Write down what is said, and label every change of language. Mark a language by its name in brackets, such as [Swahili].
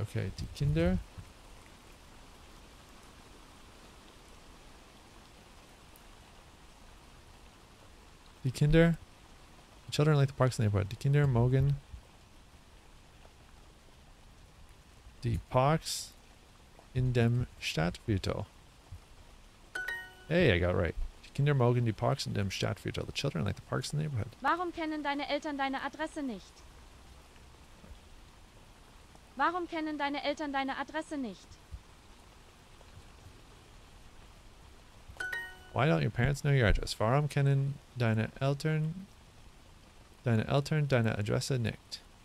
[English] Okay, [German] die Kinder [English] The children like the parks in the neighborhood. [German] Die Kinder mögen die parks in dem Stadtviertel. [English] Hey, I got it right. [German] Kinder mögen die Parks in dem Stadtviertel. [English] The children like the parks in the neighborhood. [German] Warum kennen deine Eltern deine Adresse nicht? Warum kennen deine Eltern deine Adresse nicht? [English] Why don't your parents know your address? [German] Warum kennen deine Eltern deine Adresse nicht?